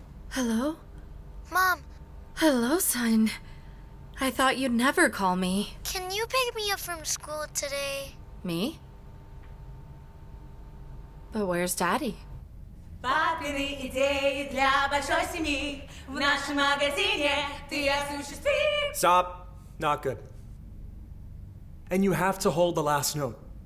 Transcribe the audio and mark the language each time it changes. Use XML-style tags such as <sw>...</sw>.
<en>Hello? Mom! Hello, son. I thought you'd never call me. Can you pick me up from school today? Me? But where's Daddy?</en> <ru>Папины идеи для большой семьи в нашем магазине. Ты осуществишь...</ru> <en>Stop. Not good. And you have to hold the last note.</en>